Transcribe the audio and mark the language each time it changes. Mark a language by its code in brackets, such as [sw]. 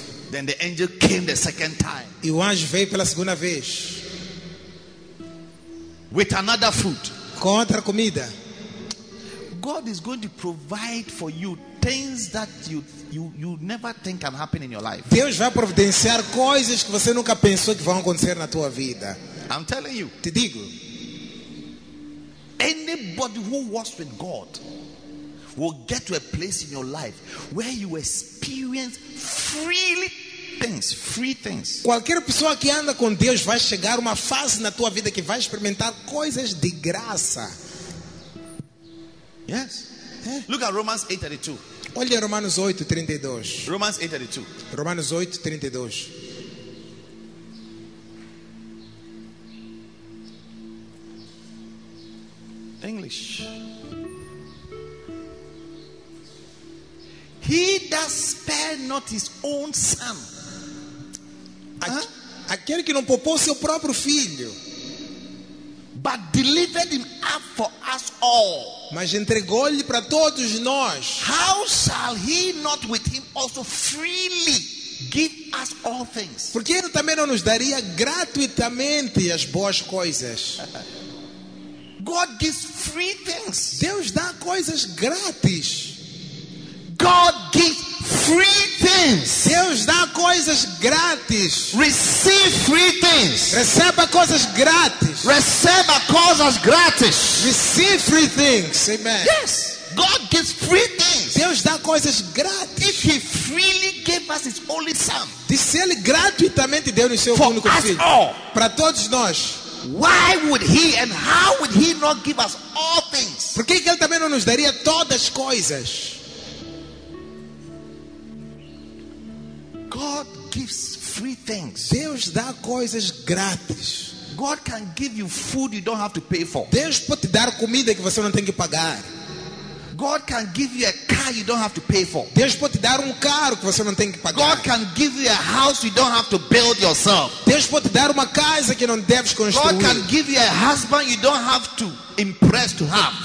[en] Then the angel came the second time. [pt] E o anjo veio pela segunda vez. [en] With another food. [pt] Com outra comida. [en] God is going to provide for you things that you never think can happen in your life. [pt] Deus vai providenciar coisas que você nunca pensou que vão acontecer na tua vida. [en] I'm telling you. [pt] Te digo. [en] Anybody who works with God will get to a place in your life where you experience freely things, free things. [pt] Qualquer pessoa que anda com Deus vai chegar a uma fase na tua vida que vai experimentar coisas de graça. [en] Yes. Look at Romans 8:32. [pt] Olha Romanos 8:32. [en] Romans 8:32. [pt] Romanos 8:32. [en] English. He that spare not his own son. [pt] Aquele que não poupou seu próprio filho. [en] But delivered him up for us all. [pt] Mas entregou-lhe para todos nós. [en] How shall he not with him also freely give us all things? [pt] Porque ele também não nos daria gratuitamente as boas coisas. [en] God gives free things. [pt] Deus dá coisas grátis. [en] God gives free things. [pt] Deus dá coisas grátis. [en] Receive free things. [pt] Receba coisas grátis. Receba coisas grátis. [en] Receive free things. Amen. Yes. God gives free things. [pt] Deus dá coisas grátis. [en] If he freely gave us his only son. [pt] Disse ele gratuitamente deu-nos seu único filho. [en] For us all. [pt] Para todos nós. [en] Why would he and how would he not give us all things? [pt] Por que ele também não nos daria todas as coisas? [en] God gives free things. [pt] Deus dá coisas grátis. [en] God can give you food you don't have to pay for. [pt] Deus pode te dar comida que você não tem que pagar. [en] God can give you a car you don't have to pay for. [pt] Deus pode te dar carro que você não tem que pagar. [en] God can give you a house you don't have to build yourself. [pt] Deus pode te dar casa que não deves construir. [en] God can give you a husband you don't have to impress to have.